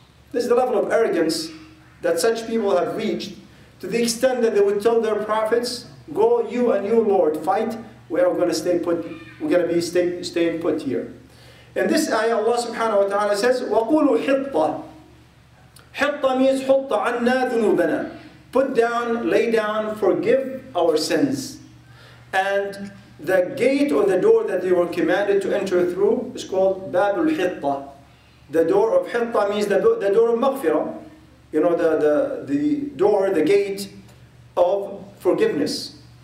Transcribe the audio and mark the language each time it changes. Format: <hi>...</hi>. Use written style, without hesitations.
<en>This is the level of arrogance that such people have reached, to the extent that they would tell their prophets, go you and your Lord, fight, we are going to stay put, we're going to be staying put here. In this ayah, Allah subhanahu wa ta'ala says,</en> <ar>وَقُولُوا حِطَّةً. حِطَّةً</ar> <en>means</en> <ar>حُطَّ عَنَّا ذُنُوبَنَا.</ar> <en>Put down, lay down, forgive our sins. And the gate or the door that they were commanded to enter through is called</en> <ar>بَابُ الْحِطَّةً.</ar> <en>The door of Hitta means the door of Maghfirah, the door, the gate of forgiveness.</en>